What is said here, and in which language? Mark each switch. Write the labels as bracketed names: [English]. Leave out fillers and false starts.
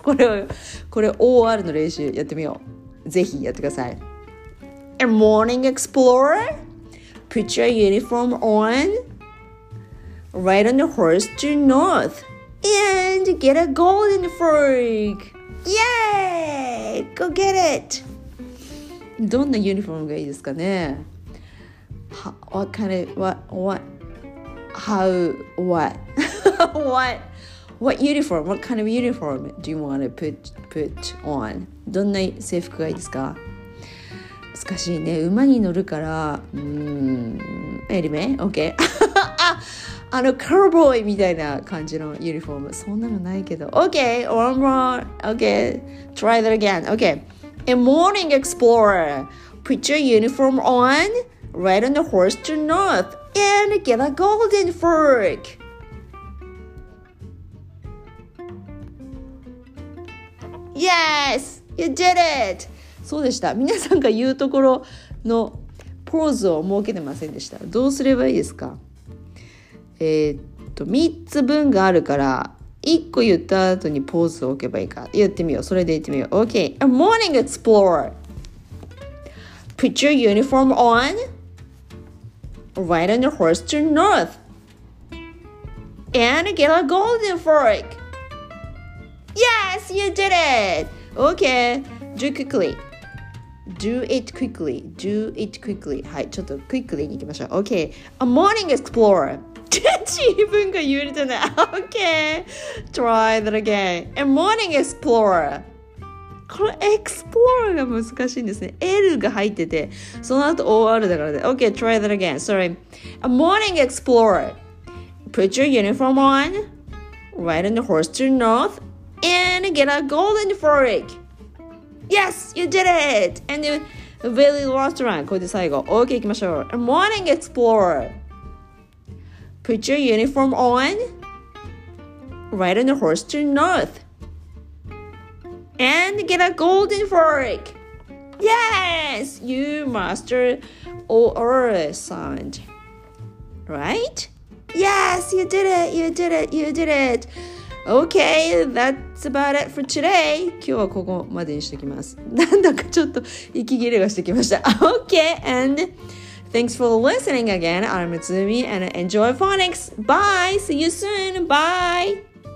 [Japanese] これ OR の練習やってみよう。ぜひやってください。 [English] A morning explorer Put your uniform onRide on the horse to north and get a golden fork. Yay! Go get it! [Japanese] どんなユニフォームがいいですかね? [English] What kind of... What uniform? What kind of uniform do you want to put on? [Japanese] どんな制服がいいですか? 難しいね。馬に乗るから... [English] Anyway, okay. [Japanese] あのカウボーイみたいな感じのユニフォーム。そんなのないけど。 [English] Okay, one more. Okay, try that again. Okay. A morning explorer. Put your uniform on, ride on the horse to north, and get a golden fork. Yes! You did it! [Japanese] そうでした。皆さんが言うところのポーズを設けてませんでした。どうすればいいですか?3つ分があるから1個言った後にポーズを置けばいいか。言ってみよう。それで言ってみよう。 [English] OK A morning explorer Put your uniform on Ride on your horse to north And get a golden fork Yes, you did it OK Do it quickly [Japanese] はい、ちょっと [English] quickly [Japanese] に行きましょう。 [English] OK A morning explorerOkay, try that again. A morning explorer. [Japanese] これ explorer が難しいんですね。 L が入ってて、その後 OR だからね。 [English] Okay, try that again. Sorry. A morning explorer. Put your uniform on, ride on the horse to north, and get a golden fork. Yes, you did it. And a very last round. [Japanese] これで最後。 [English] Okay, [Japanese] 行きましょう。 [English] A morning explorer. Put your uniform on, ride on the horse to north, and get a golden fork. Yes, you master OR sound, right? Yes, you did it. Okay, that's about it for today. [Japanese] 今日はここまでにしておきます。なんだかちょっと息切れがしてきました。 [English] Okay, and... Thanks for listening again. I'm Mitsumi and enjoy phonics. Bye. See you soon. Bye.